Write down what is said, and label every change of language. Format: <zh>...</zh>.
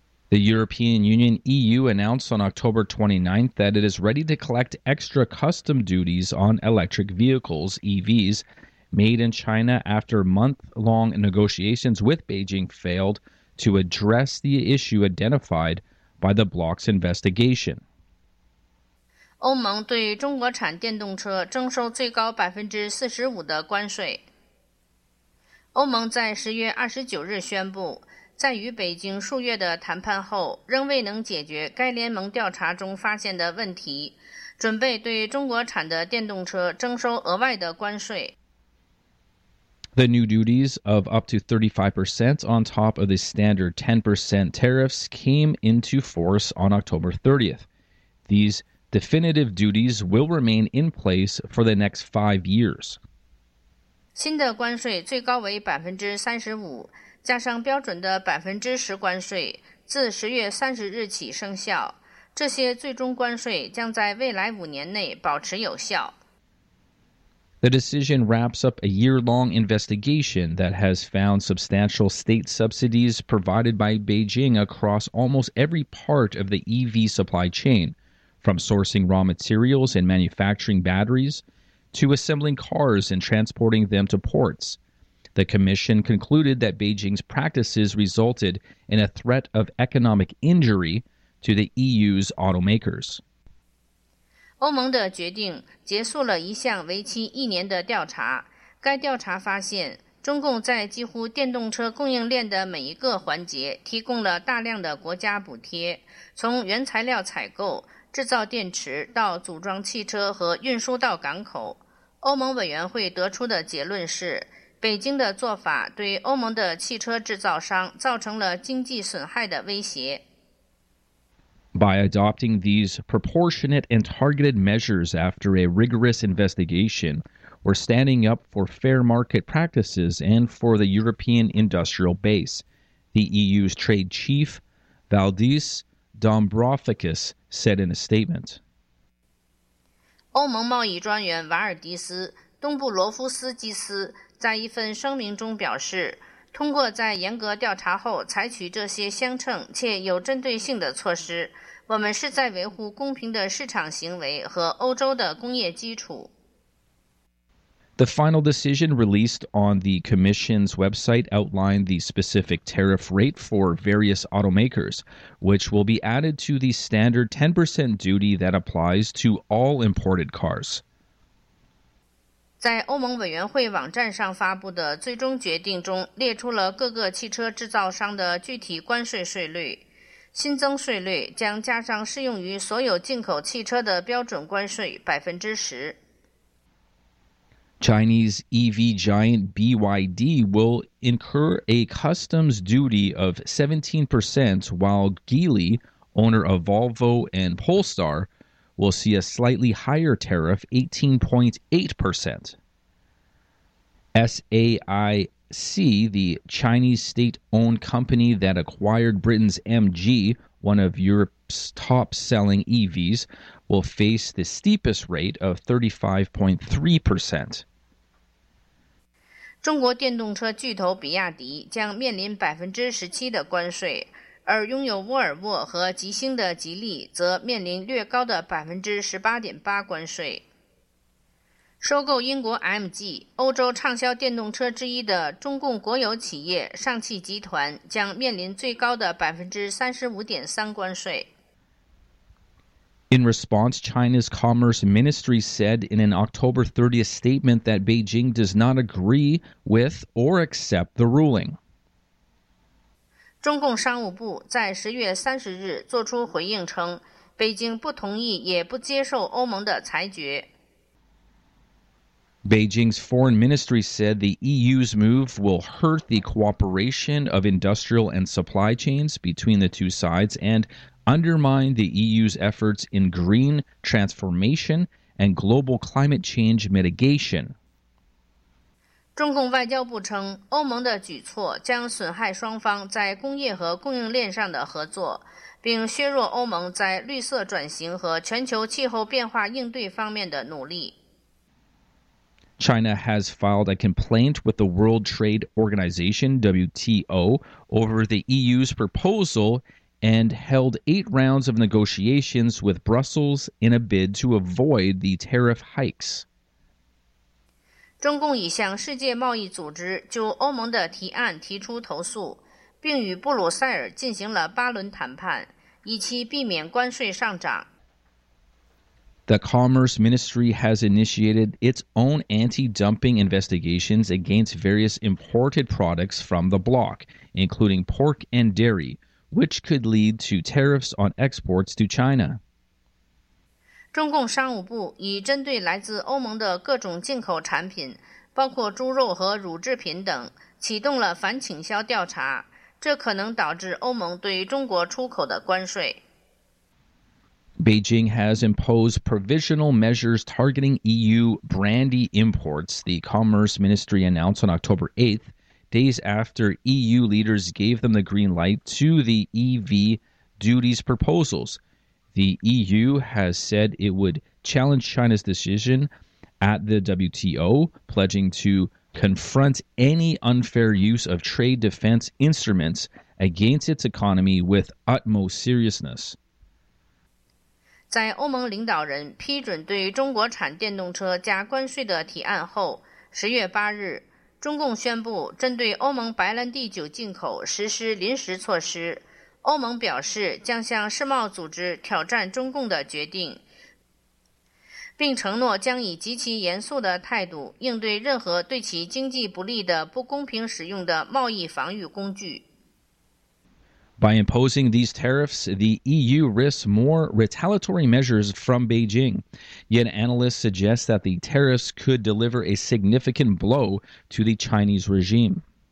<en>The European Union EU announced on October 29th that it is ready to collect extra custom duties on electric vehicles, EVs, made in China after month-long negotiations with Beijing failed to address the issue identified by the bloc's investigation.</en> <zh>欧盟对中国产电动车征收最高 45% 的关税。欧盟在10月29日宣布，在与北京数月的谈判后，仍未能解决该联盟调查中发现的问题，准备对中国产的电动车征收额外的关税。</zh> <en>The new duties of up to 35% on top of the standard 10% tariffs came into force on October 30th. These definitive duties will remain in place for the next 5 years.</en> <zh>新的关税最高为 35%, 加上标准的 10% 关税，自10月30日起生效。这些最终关税将在未来5年内保持有效。</zh> <en>The decision wraps up a year-long investigation that has found substantial state subsidies provided by Beijing across almost every part of the EV supply chain, from sourcing raw materials and manufacturing batteries to assembling cars and transporting them to ports. The commission concluded that Beijing's practices resulted in a threat of economic injury to the EU's automakers.</en> <zh>欧盟的决定结束了一项为期1年的调查。该调查发现，中共在几乎电动车供应链的每一个环节提供了大量的国家补贴，从原材料采购、制造电池到组装汽车和运输到港口。欧盟委员会得出的结论是，北京的做法对欧盟的汽车制造商造成了经济损害的威胁。</zh> <en>By adopting these proportionate and targeted measures after a rigorous investigation, we're standing up for fair market practices and for the European industrial base, the EU's trade chief, Valdis Dombrovskis, said in a statement.</en> <zh>欧盟贸易专员瓦尔迪斯·东布罗夫斯基斯在一份声明中表示，通过在严格调查后采取这些相称且有针对性的措施，我们是在维护公平的市场行为和欧洲的工业基础。</zh> <en>The final decision released on the Commission's website outlined the specific tariff rate for various automakers, which will be added to the standard 10% duty that applies to all imported cars.</en> <zh>在欧盟委员会网站上发布的最终决定中列出了各个汽车制造商的具体关税税率。新增税率将加上适用于所有进口汽车的标准关税10%。</zh> <en>Chinese EV giant BYD will incur a customs duty of 17%, while Geely, owner of Volvo and Polestar, will see a slightly higher tariff, 18.8%. SAIC, the Chinese state-owned company that acquired Britain's MG, one of Europe's top-selling EVs, will face the steepest rate of 35.3%.</en> <zh>中国电动车巨头比亚迪将面临17%的关税，而拥有沃尔沃和吉星的吉利则面临略高的18.8%关税。收购英国 MG, 欧洲畅销电动车之一的中共国有企业上汽集团将面临最高的35.3%关税。</zh> <en>In response, China's Commerce Ministry said in an October 30th statement that Beijing does not agree with or accept the ruling.</en> <zh>中共商务部在10月30日作出回应称，北京不同意也不接受欧盟的裁决。</zh> <en>Beijing's foreign ministry said the EU's move will hurt the cooperation of industrial and supply chains between the two sides and undermine the EU's efforts in green transformation and global climate change mitigation.</en> <zh>中共外交部称，欧盟的举措将损害双方在工业和供应链上的合作，并削弱欧盟在绿色转型和全球气候变化应对方面的努力。</zh> <en>China has filed a complaint with the World Trade Organization, WTO, over the EU's proposal and held 8 rounds of negotiations with Brussels in a bid to avoid the tariff hikes.</en> <zh>中共已向世界贸易组织就欧盟的提案提出投诉，并与布鲁塞尔进行了8轮谈判，以期避免关税上涨。</zh> <en>The Commerce Ministry has initiated its own anti-dumping investigations against various imported products from the bloc, including pork and dairy, which could lead to tariffs on exports to China.</en> <zh>中共商务部已针对来自欧盟的各种进口产品，包括猪肉和乳制品等，启动了反倾销调查，这可能导致欧盟对中国出口的关税。</zh> <en>Beijing has imposed provisional measures targeting EU brandy imports, the Commerce Ministry announced on October 8th, days after EU leaders gave them the green light to the EV duties proposals. The EU has said it would challenge China's decision at the WTO, pledging to confront any unfair use of trade defense instruments against its economy with utmost seriousness.</en> <zh>在欧盟领导人批准对中国产电动车加关税的提案后，10月8日，中共宣布针对欧盟白兰地酒进口实施临时措施。欧盟表示将向世贸组织挑战中共的决定，并承诺将以极其严肃的态度应对任何对其经济不利的不公平使用的贸易防御工具。</zh> <en>By imposing these tariffs, the EU risks more retaliatory measures from Beijing. Yet analysts suggest that the tariffs could deliver a significant blow to the Chinese regime.</en>